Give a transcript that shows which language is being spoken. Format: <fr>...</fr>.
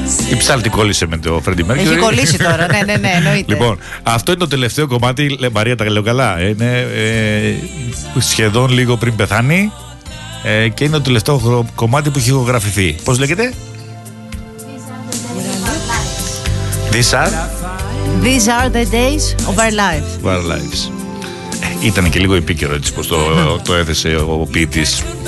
<el>Η ψάλτη κόλλησε με το Freddie Mercury. Έχει κολλήσει τώρα, ναι, εννοείται. Λοιπόν, αυτό είναι το τελευταίο κομμάτι, Μαρία, τα λέω καλά. Είναι σχεδόν λίγο πριν πεθάνει. Και είναι το τελευταίο κομμάτι που έχει ηχογραφηθεί. Πώς λέγεται?</el> <en>These are the days of our lives. Of our lives.</en> <el>Ήταν και λίγο επίκαιρο έτσι πως το έθεσε ο ποιητής.</el>